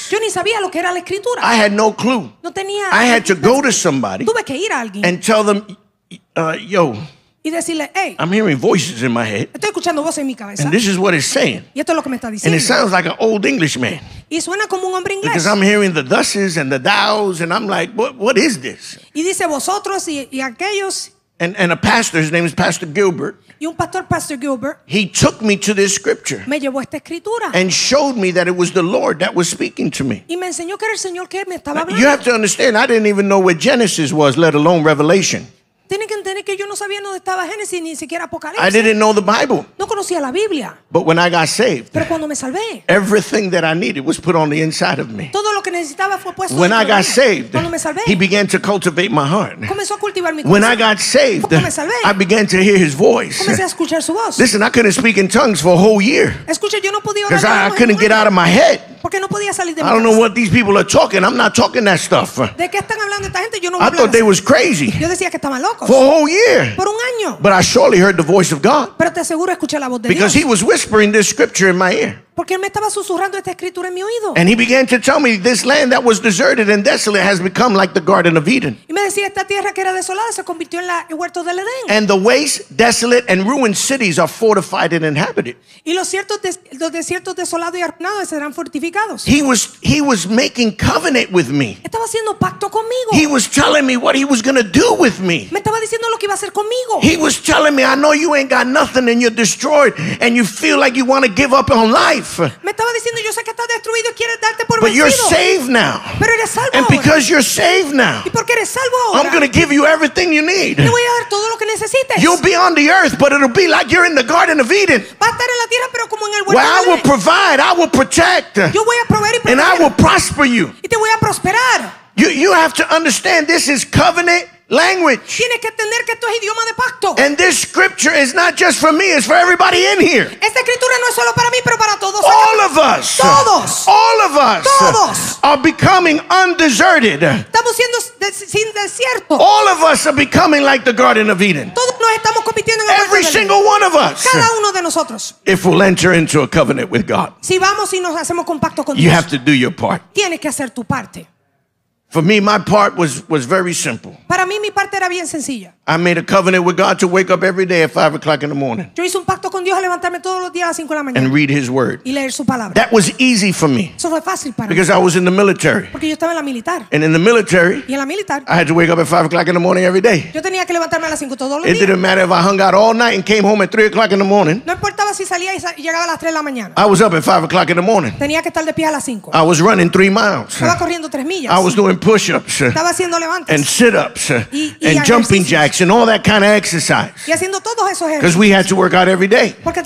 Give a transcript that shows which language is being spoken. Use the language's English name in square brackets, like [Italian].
[Spanish] Yo ni sabía lo que era la escritura. [English] I had no clue. [Spanish] No tenía. [English] I had to go to somebody. [Spanish] Tuve que ir a alguien. [English] And tell them, yo. [Spanish] Y decirle, hey, [English] I'm hearing voices in my head. [Spanish] Estoy escuchando voces en mi cabeza. [English] And this is what it's saying. [Spanish] Y esto es lo que me está diciendo. [English] And it sounds like an old English man. [Spanish] Y suena como un hombre inglés. [English] Because I'm hearing the thuses and the thous, and I'm like, what is this? [Spanish] Y dice vosotros y aquellos. [English] And a pastor, his name is Pastor Gilbert. [Spanish] Y un pastor, Pastor Gilbert. [English] He took me to this scripture. [Spanish] Me llevó esta escritura. [English] And showed me that it was the Lord that was speaking to me. [Spanish] Y me enseñó que era el Señor que me estaba hablando. [English] You have to understand, I didn't even know where Genesis was, let alone Revelation. [Spanish] Tienen que entender que yo no sabía dónde estaba Génesis ni siquiera Apocalipsis. [English] I didn't know the Bible. [Spanish] No conocía la Biblia. [English] But when I got saved, [Spanish] pero cuando me salvé, [English] everything that I needed was put on the inside of me. [Spanish] Todo lo que necesitaba fue puesto [English] when I got saved, [Spanish] cuando me salvé, [English] he began to cultivate my heart. [Spanish] Comenzó a cultivar mi corazón. [English] When I got saved, [Spanish] cuando me salvé, [English] I began to hear his voice. [Spanish] Comencé a escuchar su voz. [English] Listen, I couldn't speak in tongues for a whole year. [Spanish] Escucha, yo no podía hablar. [English] Because I couldn't get out of my head. [Spanish] Porque no podía salir de mi cabeza. [English] I don't know what these people are talking. I'm not talking that stuff. [Spanish] ¿De qué están hablando esta gente? Yo no [English] I thought they was crazy. [Spanish] Yo decía que estaban locos. [English] For a whole year. [Spanish] Por un año. [English] But I surely heard the voice of God. [Spanish] Pero te aseguro escuché la voz de [English] because [Spanish] Dios. [English] He was whispering this scripture in my ear. [Spanish] Porque él me estaba susurrando esta escritura en mi oído. [English] And he began to tell me this land that was deserted and desolate has become like the Garden of Eden. [Spanish] Y me decía esta tierra que era desolada se convirtió en la, el huerto del Edén. [English] And the waste, desolate, and ruined cities are fortified and inhabited. [Spanish] Y los desiertos desolados y arruinados serán fortificados. [English] He was making covenant with me. [Spanish] Estaba haciendo pacto conmigo. [English] He was telling me what he was going to do with me. [Spanish] Me estaba diciendo lo que iba a hacer conmigo. [English] He was telling me, I know you ain't got nothing and you're destroyed and you feel like you want to give up on life. [Spanish] Me estaba diciendo, yo sé que estás destruido y quieres darte por vencido. [English] But you're saved now. [Spanish] Pero eres salvo. [English] And because you're saved now. [Spanish] Y porque eres salvo ahora. [English] I'm going to give you everything you need. [Spanish] Te voy a dar todo lo que necesites. [English] You'll be on the earth, but it'll be like you're in the Garden of Eden. [Spanish] Vas a estar en la tierra, pero como en el huerto. [English] Where I will provide, I will protect. [Spanish] Yo voy a proveer y proteger. [English] And I will prosper you. [Spanish] Y te voy a prosperar. [English] You have to understand this is covenant language. [Spanish] Tienes que entender que esto es idioma de pacto. [English] And this scripture is not just for me, it's for everybody in here. [Spanish] Esta escritura no es solo para mí, pero para todos. [English] All of us. [Spanish] Todos. [English] All of us. [Spanish] Todos. [English] Are becoming undeserted. [Spanish] Estamos siendo sin desierto. [English] All of us are becoming like the Garden of Eden. [Spanish] Todos nos estamos convirtiendo en el [English] Every single one of us. [Spanish] Cada uno de nosotros. [English] If we'll enter into a covenant with God. [Spanish] Si vamos y nos hacemos con pacto con Dios. [English] You have to do your part. [Spanish] Tienes que hacer tu parte. [English] For me, my part was very simple. [Spanish] Para mí, mi parte era bien sencilla. [English] I made a covenant with God to wake up every day at 5:00 in the morning. [Spanish] Yo hice un pacto con Dios a levantarme todos los días a las 5 de la mañana. [English] And read His word. [Spanish] Y leer su palabra. [English] That was easy for me. [Spanish] Eso fue fácil para mí. [English] Because I was in the military. [Spanish] Porque yo estaba en la militar. [English] And in the military. [Spanish] Y en la militar. [English] I had to wake up at 5:00 in the morning every day. [Spanish] Yo tenía que levantarme a las 5 todos los [English] It [Spanish] días. [English] It didn't matter if I hung out all night and came home at 3:00 in the morning. [Spanish] No importaba si salía y llegaba a las 3 de la mañana. [English] I was up at 5:00 in the morning. [Spanish] Tenía que estar de pie a las 5. [English] I was running 3 miles. [Spanish] Estaba corriendo 3 millas. [English] I was doing push-ups and sit-ups and jumping jacks and all that kind of exercise because we had to work out every day.